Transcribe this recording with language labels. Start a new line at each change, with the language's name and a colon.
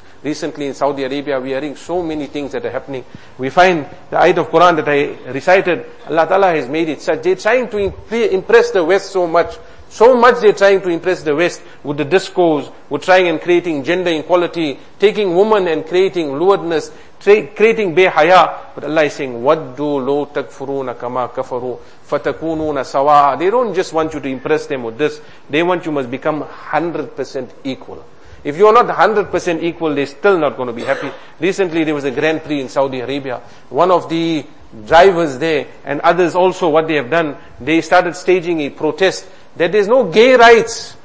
English: Recently in Saudi Arabia, we are hearing so many things that are happening. We find the ayat of Quran that I recited, Allah Ta'ala has made it such, they're trying to impress the West so much. So much they're trying to impress the West with the discourse, with trying and creating gender inequality, taking women and creating lewdness, creating behaya. But Allah is saying,
Arabic: وَدُّوا لَوْ تَكْفُرُونَ كَمَا كَفَرُوا فَتَكُونُونَ سَوَاءَ.
English: They don't just want you to impress them with this. They want you must become 100% equal. If you are not 100% equal, they're still not going to be happy. Recently, there was a Grand Prix in Saudi Arabia. One of the drivers there and others also, what they have done, they started staging a protest that there's no gay rights.